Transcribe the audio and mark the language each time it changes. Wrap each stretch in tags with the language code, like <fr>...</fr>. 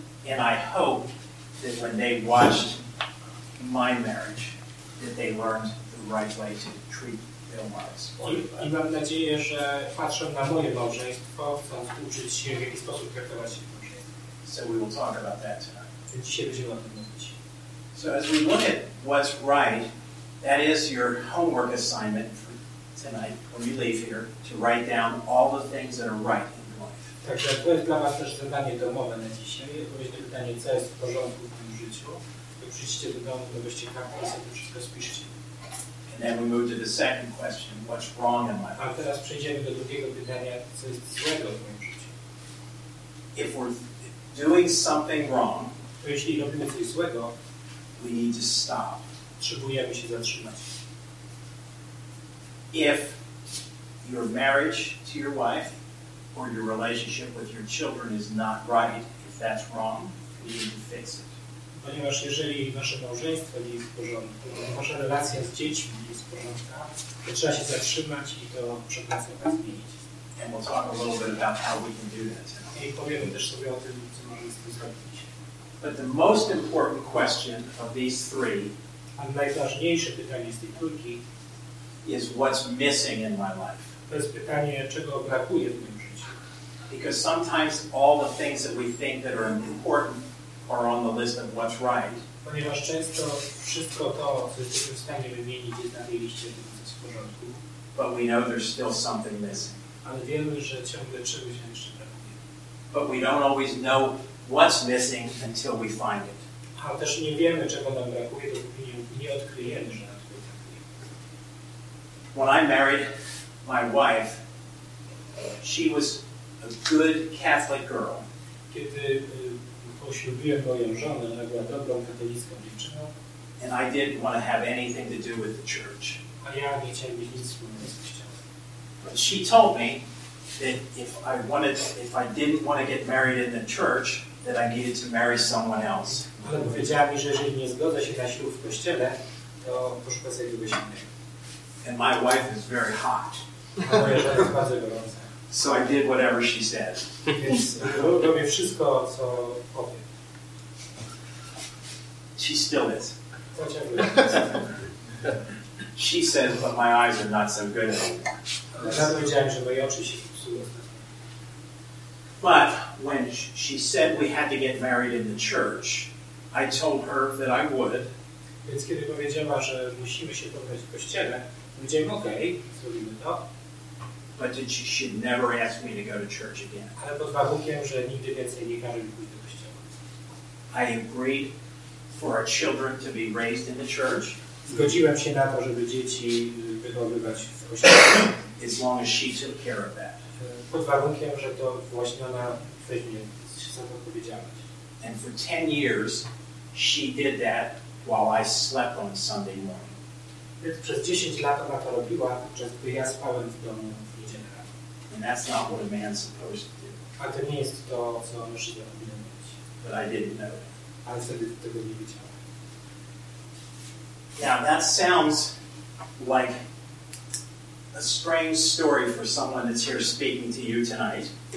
<en>And I hope that when they watched my marriage, that they learned the right way to treat their wives.</en> <pl>I mam nadzieję, że patrzą na moje małżeństwo, chcą uczyć się, w jaki sposób traktować się.</pl> <en>So we will talk about that tonight.</en> <pl>Dzisiaj będziemy o tym mówić.</pl> <en>So as we look at what's right, that is your homework assignment for tonight when you leave here, to write down all the things that are right in your life.</en> <pl>Także to jest dla was też zadanie domowe na dzisiaj. Odpowiedź na pytanie, co jest w porządku w tym życiu. To przyjdźcie do domu, dobyście kartę i sobie wszystko spiszcie.</pl> <en>And then we move to the second question, what's wrong in my life?</en> <pl>A teraz przejdziemy do drugiego pytania, co jest złego w moim życiu.</pl> <en>If we're doing something wrong,</en> <pl>to jeśli robimy coś złego,</pl> <en>we need to stop.</en> <pl>Potrzebujemy się zatrzymać.</pl> <en>If your marriage to your wife or your relationship with your children is not right, if that's wrong, we need to fix it.</en> <pl>Ponieważ jeżeli nasze małżeństwo nie jest w porządku, nasza relacja z dziećmi nie jest w porządku, to trzeba się zatrzymać i to przepracować, zmienić.</pl> <en>And we'll talk a little bit about how we can do that.</en> <pl>I powiemy też sobie o tym, co możemy z tym zrobić.</pl> <en>But the most important question of these three,</en> <pl>a najważniejsze pytanie z tej trójki,</pl> <en>is what's missing in my life.</en> <pl>To jest pytanie, czego brakuje w moim życiu.</pl> <en>Because sometimes all the things that we think that are important are on the list of what's right.</en> <pl>Ponieważ często wszystko to, co jesteśmy w stanie wymienić, jest na tej liście, co jest w porządku.</pl> <en>But we know there's still something missing.</en> <pl>Ale wiemy, że ciągle czegoś jeszcze brakuje.</pl> <en>But we don't always know what's missing until we find it.</en> <pl>A też nie wiemy, czego nam brakuje, dopóki nie odkryjemy, że nam brakuje.</pl> <en>When I married my wife, she was a good Catholic girl.</en> <pl>Kiedy poślubiłem moją żonę, ona była dobrą katolicką dziewczyną.</pl> <en>And I didn't want to have anything to do with the church.</en> <pl>A ja nie chciałem mieć nic wspólnego z kościołem.</pl> <en>But she told me that if I didn't want to get married in the church, that I needed to marry someone else.</en> <pl>Ale powiedziała mi, że jeżeli nie zgodzę się na ślub w kościele, to poszukaj sobie kogoś innego.</pl> <en>And my wife is very hot.</en> <pl>Moja żona jest bardzo gorąca.</pl> <en>So I did whatever she said.</en> <pl>Więc robię wszystko, co powie.</pl> <en>She still is.</en> <pl>To ciągle</pl> <en>She says, but my eyes are not so good anymore.</en> <pl>Ja powiedziałem, że moje oczy się psują.</pl> <en>But when she said we had to get married in the church, I told her that I would.</en> <pl>Więc kiedy powiedziała, że musimy się pobrać w kościele, powiedziałem, okej, zrobimy to.</pl> <en>But then she should never ask me to go to church again.</en> <pl>Ale pod warunkiem, że nigdy więcej nie każe mi pójść do kościoła.</pl> <en>I agreed for our children to be raised in the church.</en> <pl>Zgodziłem się na to, żeby dzieci wychowywać w kościele.</pl> <en>As long as she took care of that.</en> <pl>Pod warunkiem, że to właśnie ona weźmie się za to odpowiedzialność.</pl> <en>And for 10 years she did that while I slept on Sunday morning.</en> <pl>Więc przez 10 lat ona to robiła, podczas gdy ja spałem w domu w niedzielę.</pl> <en>And that's not what a man's supposed to do.</en> <pl>A to nie jest to, co mężczyzna powinien robić.</pl> <en>But I didn't know it.</en> <pl>Ale sobie tego nie wiedziałem.</pl> <en>Now that sounds like a strange story for someone that's here speaking to you tonight.</en>